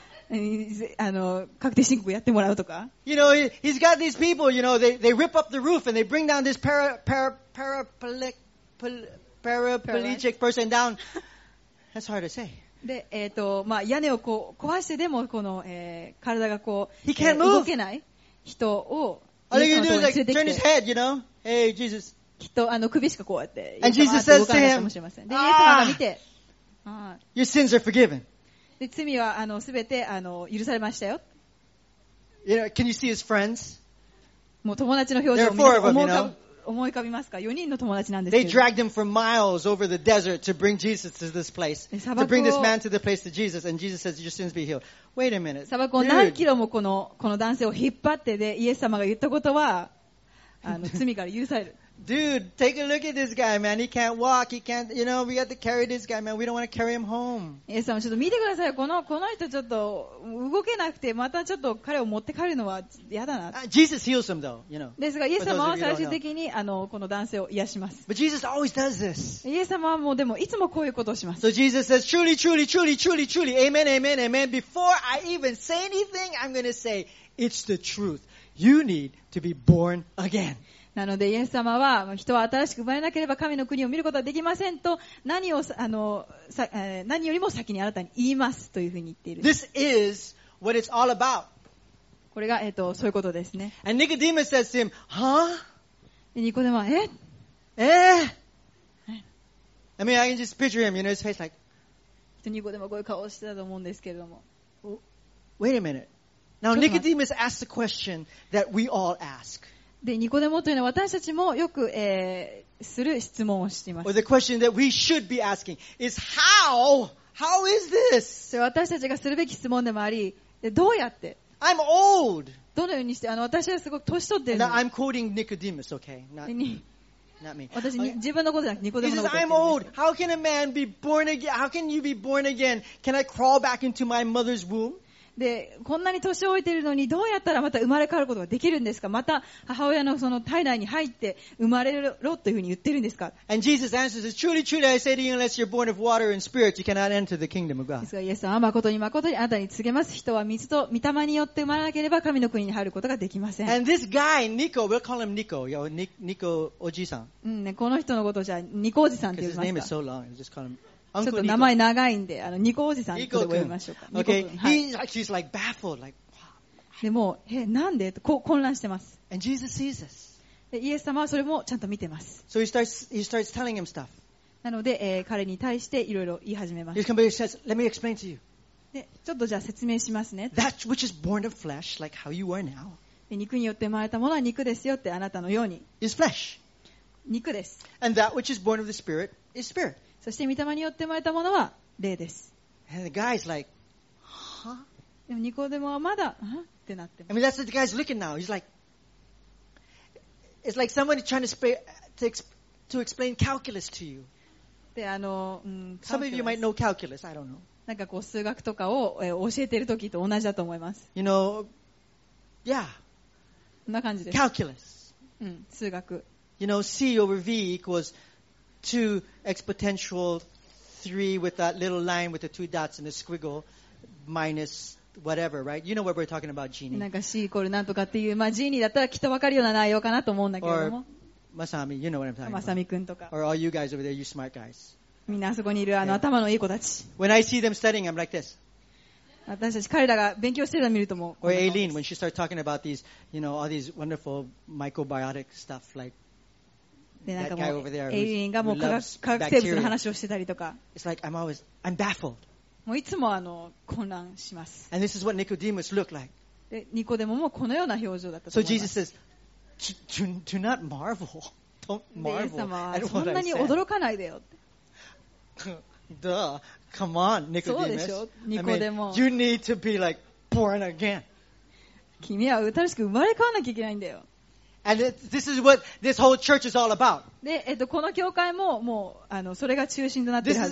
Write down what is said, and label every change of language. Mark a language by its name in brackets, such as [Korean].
[Japanese] あの、確定申告やってもらうとか。 [English] You know, he's got these people, you know, they rip up the roof and they bring down this paraplegic person down. That's hard to say. [Japanese] で、まあ、屋根をこう壊してでもこの、体がこう、動けない人を、 [English] All you do is like turn his head, you know? Hey, Jesus. [Japanese] きっとあの首しかこうやって、 [English] And Jesus says to him, [Japanese] で、イエス様が見て、 [English] Your sins are forgiven. [Japanese] で、罪はあの全てあの許されましたよ。 [English] You know, can you see his friends? [Japanese] もう友達の表情を見て、思い浮かぶ。思い浮かびますか ?4 人の友達なんですけど。 [English] They dragged him for miles over the desert to bring Jesus to this place. To bring this man to the place to Jesus. And Jesus says, your sins be healed. Wait a minute. [Japanese] 砂漠を何キロもこの男性を引っ張ってで、イエス様が言ったことは、あの罪から許される。 [English] Dude, take a look at this guy, man. He can't walk. He can't, you know, we have to carry this guy, man. We don't want to carry him home. [Japanese] イエス様、ちょっと見てください。この人ちょっと動けなくて、またちょっと彼を持って帰るのは嫌だな。 [English] Jesus heals him, though, you know. [Japanese] ですが、イエス様は最終的に、あの、この男性を癒します。 [English] But Jesus always does this. [Japanese] イエス様はもうでも、いつもこういうことをします。 [English] So Jesus says, truly, truly, truly, truly, truly, amen, amen, amen. Before I even say anything, I'm going to say, it's the truth. You need to be born again. [Japanese] なのでイエス様は人は新しく生まれなければ神の国を見ることはできませんと何よりも先にあなたに言いますというふうに言っている。 [English] This is what it's all about. [Japanese] これが、そういうことですね。 [English] And Nicodemus says to him, huh? [Japanese] ニコデマは、 [English] I mean, I can just picture him, you know, his face like. [Japanese] ニコデマはこういう顔をしてたと思うんですけれども。 [English] Wait a minute. Now Nicodemus asked the question that we all ask. [Japanese] でニコデモというのは私たちもよく、する質問をしています。 [English] Or the question that we should be asking is how is this? [Japanese] 私たちがするべき質問でもあり、どうやって [English] ？I'm old. [Japanese] どのようにして、あの私はすごく年取ってる。 [English] And I'm quoting Nicodemus, okay? Not me. [Japanese] 私、okay. 自分のことじゃなくてニコデモのこと [English] です。He says, I'm old. How can a man be born again? How can you be born again? Can I crawl back into my mother's womb? [Japanese] でこんなに年老いているのにどうやったらまた生まれ変わることができるんですか。また母親のその体内に入って生まれろというふうに言ってるんですか。 [English] And Jesus answers, "Truly, truly, I say to you, unless you're born of water and spirit, you cannot enter the kingdom of God." [Japanese] ですが、イエス様は誠に誠にあなたに告げます。人は水と御霊によって生まれなければ神の国に入ることができません。 [English] And this guy, Nico, we'll call him Nico, yo, Nico, おじいさん。 [Japanese] うんね、この人のことじゃニコおじさんって言いますか。 [English] Because his name is so long, just call him. [Japanese] ちょっと名前長いんで、あのニコおじさんと呼びましょうか。 [English] Okay. はい、He's like, she's like baffled, like, [Japanese] wow. でも、え、なんで？と混乱してます。 [English] And Jesus sees us. [Japanese] で、イエス様はそれもちゃんと見てます。 [English] So he starts telling him stuff. [Japanese] なので、彼に対していろいろ言い始めます。 [English] He comes and says, "Let me explain to you." [Japanese] で、ちょっとじゃあ説明しますね。 [English] That which is born of flesh, like how you are now. [Japanese] で、肉によって生まれたものは肉ですよってあなたのように。 [English] Is flesh. [Japanese] 肉です。 [English] And that which is born of the spirit is spirit. [Japanese] そして御霊によって生まれたものは霊です。 [English] And the guy's like, [Japanese] でもニコデモはまだ、ってなってます。 [English] I mean, that's what the guy's looking now. He's like, it's like somebody trying to explain calculus to you. [Japanese] で、あの、 [English] Some of you might know calculus. I don't know. [Japanese] なんかこう数学とかを、教えてる時と同じだと思います。 [English] You know, yeah. [Japanese] こんな感じです。 [English] Calculus. [Japanese] うん、数学。 [English] You know, C over V equals... 2 exponential 3 with that little line with the two dots and the squiggle minus whatever, right? You know what we're talking about, genie. [Japanese] なんか C イコールなんとかっていう、まあ、ジーニーだったらきっとわかるような内容かなと思うんだけども。 [English] Or Masami, you know what I'm talking about. [Japanese] Masami くんとか。 [English] Or all you guys over there, you smart guys. [Japanese] みんなあそこにいるあの頭のいい子たち。 [English] When I see them studying, I'm like this. [Japanese] 私たち彼らが勉強してるのを見るとも [English] う。Or Aileen, when she starts talking about these, you know, all these wonderful microbiotic stuff like. [Japanese] でなんかもうエイリンがもう科学生物の話をしてたりとか、 [English] It's like、I'm always, I'm baffled. [Japanese] もういつもあの混乱します。 [English] And this is what Nicodemus looked like. [Japanese] でニコデモもこのような表情だったと思います。 [English] So Jesus says, do not marvel. Don't marvel. [Japanese] イエス様はそんなに驚かないでよ。 [English] Duh, come on, Nicodemus. [Japanese] そうでしょ、ニコデモ。 [English] I mean, you need to be like born again. [Japanese] 君は新しく生まれ変わらなきゃいけないんだよ。 [English] And this is what this whole church is all about. [Japanese] で、この教会ももうあのそれが中心となっているはず